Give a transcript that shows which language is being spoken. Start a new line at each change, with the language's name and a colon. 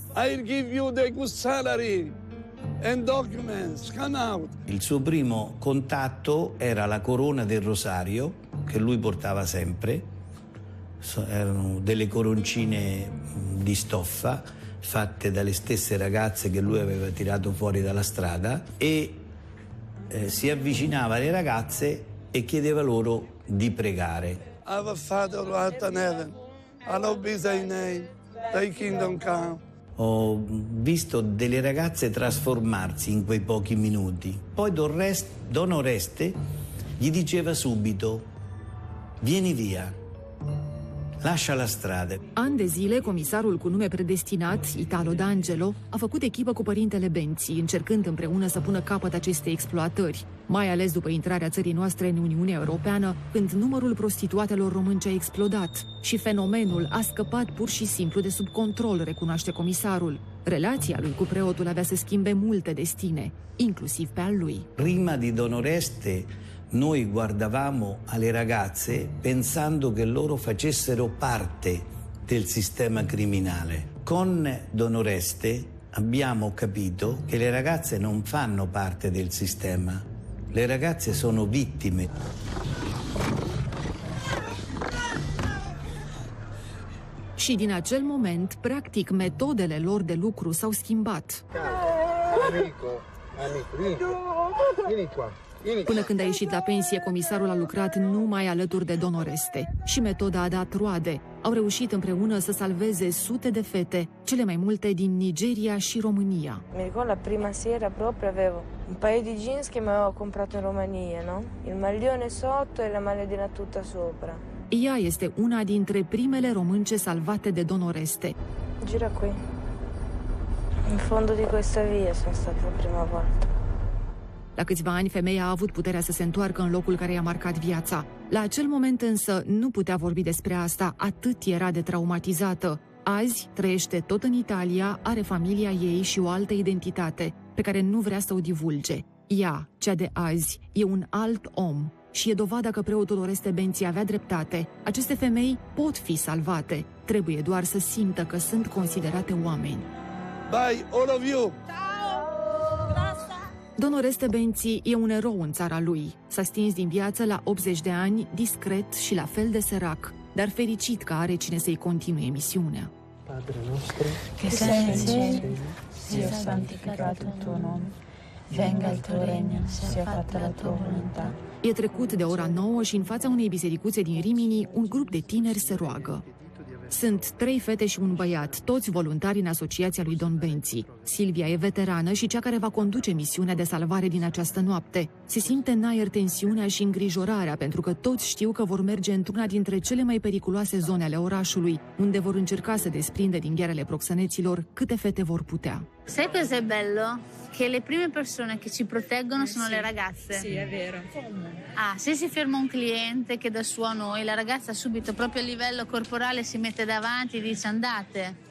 English: I'll give you the good salary and documents. Come out.
Italian: Il suo primo contatto era la corona del rosario che lui portava sempre. Erano delle coroncine di stoffa fatte dalle stesse ragazze che lui aveva tirato fuori dalla strada e si avvicinava alle ragazze e chiedeva loro di pregare.
English: Our Father who art in heaven, hallowed be thy name, thy kingdom come.
Italian: Ho visto delle ragazze trasformarsi in quei pochi minuti. Poi Don Oreste gli diceva subito, vieni via, lascia la strada.
Romanian: An de zile, comisarul cu nume predestinat, Italo D'Angelo, a făcut echipă cu părintele Benzi, încercând împreună să pună capăt acestei exploatări. Mai ales după intrarea țării noastre în Uniunea Europeană, când numărul prostituatelor românci a explodat și fenomenul a scăpat pur și simplu de sub control, recunoaște comisarul. Relația lui cu preotul avea să schimbe multe destine, inclusiv pe al lui.
Italian: Prima di Don Oreste, noi guardavamo alle ragazze pensando che loro facessero parte del sistema criminale. Con Don Oreste abbiamo capito che le ragazze non fanno parte del sistema. Le ragazze sono vittime.
Romanian: Și din acel moment, practic, metodele lor de lucru s-au schimbat. Până când a ieșit la pensie, comisarul a lucrat numai alături de Don Oreste. Și metoda a dat roade. Au reușit împreună să salveze sute de fete, cele mai multe din Nigeria și România.
Italian: Mi ricordo la prima sera proprio avevo un paio di jeans che mi avevo comprato in Romania, no? Il maglione sotto e la maledina tutta sopra.
Romanian: Ea este una dintre primele românce salvate de Don Oreste.
Italian: Gira qui. În fondul di questa via sono stata la prima volta.
Romanian: La câțiva ani, femeia a avut puterea să se întoarcă în locul care i-a marcat viața. La acel moment însă nu putea vorbi despre asta, atât era de traumatizată. Azi trăiește tot în Italia, are familia ei și o altă identitate, pe care nu vrea să o divulge. Ea, cea de azi, e un alt om și e dovada că preotul Oreste Benzi avea dreptate. Aceste femei pot fi salvate, trebuie doar să simtă că sunt considerate oameni.
English: Bye, all of you!
Romanian: Don Oreste Benzi e un erou în țara lui. S-a stins din viață la 80 de ani, discret și la fel de sărac, dar fericit că are cine să-i continue misiunea.
Italian: Padre nostru, che sei in cielo, sia santificato il tuo nome, venga il tuo regno, sia fatta la tua volontà.
Romanian: E trecut de ora 9 și în fața unei bisericuțe din Rimini, un grup de tineri se roagă. Sunt trei fete și un băiat, toți voluntari în asociația lui Don Benzi. Silvia e veterană și cea care va conduce misiunea de salvare din această noapte. Se simte în aer tensiunea și îngrijorarea, pentru că toți știu că vor merge într-una dintre cele mai periculoase zone ale orașului, unde vor încerca să desprindă din ghearele proxeneților câte fete vor putea.
Italian: Sai cos'è bello? Che le prime persone che ci proteggono sono le ragazze. Sì, è vero. Ah, se si ferma un cliente che da suo a noi, la ragazza subito proprio a livello corporale si mette davanti e dice andate.